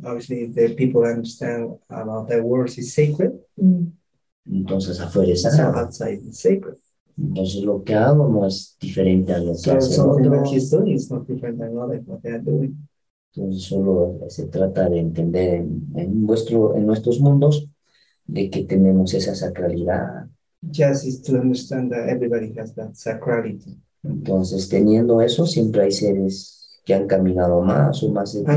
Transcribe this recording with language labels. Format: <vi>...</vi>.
<en>Obviously, the people understand about their world is sacred.</en> <es>Entonces, afuera es sagrado.</es> <en>So outside is sacred.</en> <es>Entonces, lo que hago no es diferente a lo que hace.</es> <en>So, something that he's doing is not different than others, what they are doing.</en> <es>Entonces, solo se trata de entender en nuestros mundos de que tenemos esa sacralidad.</es> <en>Just is to understand that everybody has that sacrality.</en> <es>Entonces, teniendo eso, siempre hay seres que han caminado más o más</es>